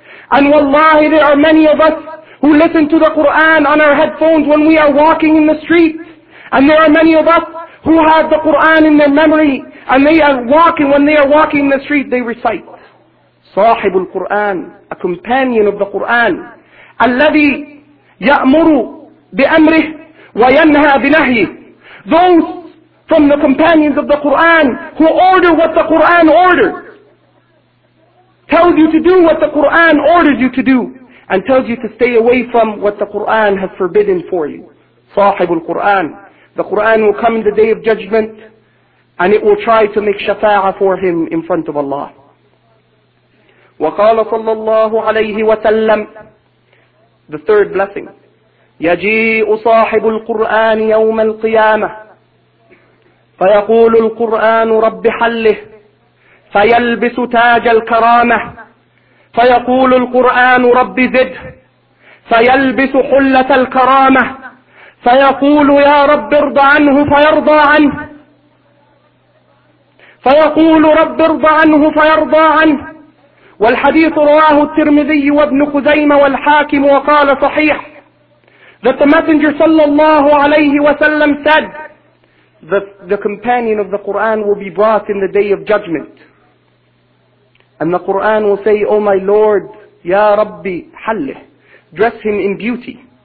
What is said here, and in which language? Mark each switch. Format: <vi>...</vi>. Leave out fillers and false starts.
<en>And wallahi, there are many of us who listen to the Qur'an on our headphones when we are walking in the street. And there are many of us who have the Qur'an in their memory, and they are walking, when they are walking in the street, they recite.</en> <ar>صاحب القرآن,</ar> <en>a companion of the Qur'an.</en> <ar>الذي يأمر بأمره وينهى بنهيه.</ar> <en>Those from the companions of the Qur'an, who order what the Qur'an orders, tells you to do what the Qur'an orders you to do, and tells you to stay away from what the Qur'an has forbidden for you.</en> <ar>صاحب القرآن.</ar> <en>The Qur'an will come in the day of judgment, and it will try to make shafa'ah for him in front of Allah.</en> <ar>وقال صلى الله عليه وسلم,</ar> <en>the third blessing,</en> <ar>يجيء صاحب القرآن يوم القيامة فيقول القرآن رب حله فيلبس تاج الكرامة فيقول القرآن رب زد فيلبس حلة الكرامة فيقول يا رب ارض عنه فيرضى عنه فيقول رب ارض عنه فيرضى عنه. والحديث رواه الترمذي وابن خزيمة والحاكم وقال صحيح.</ar> <en>That the Messenger</en> <ar>صلى الله عليه وسلم</ar> <en>said, The companion of the Qur'an will be brought in the day of judgment. And the Qur'an will say, O my Lord, Ya Rabbi, Hallih, dress him in beauty.</en>